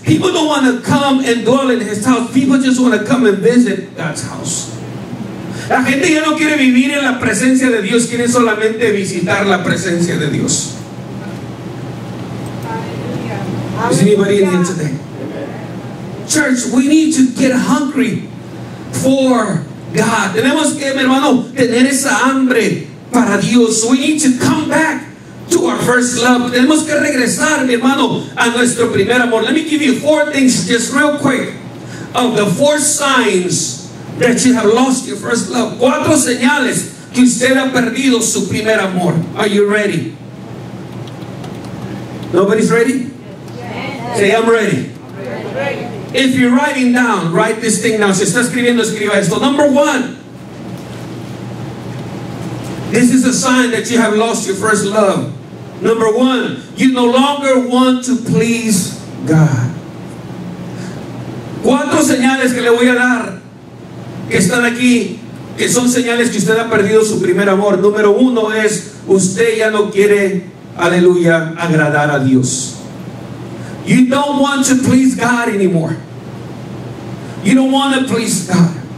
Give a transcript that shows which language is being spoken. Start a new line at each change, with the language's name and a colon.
English: People don't want to come and dwell in His house. People just want to come and visit God's house.
Spanish: La gente ya no quiere vivir en la presencia de Dios. Quiere solamente visitar la presencia de Dios.
English: Is anybody in here today? Church, we need to get hungry for God.
Spanish: Tenemos que, mi hermano, tener esa hambre. Para Dios,
English: we need to come back to our first love.
Spanish: Tenemos que regresar, mi hermano, a nuestro primer amor.
English: Let me give you four things just real quick of the four signs that you have lost your first love.
Spanish: Cuatro señales que usted ha perdido su primer amor.
English: Are you ready? Nobody's ready? Yes. Say, I'm ready. I'm ready. If you're writing down, write this thing down.
Spanish: Si está escribiendo, escriba esto.
English: Number one. This is a sign that you have lost your first love. Number one, you no longer want to please God.
Spanish: ¿Cuántas señales que le voy a dar que están aquí, que son señales que usted ha perdido su primer amor? Número uno es, usted ya no quiere, aleluya, agradar a Dios.
English: You don't want to please God anymore. You don't want to please God.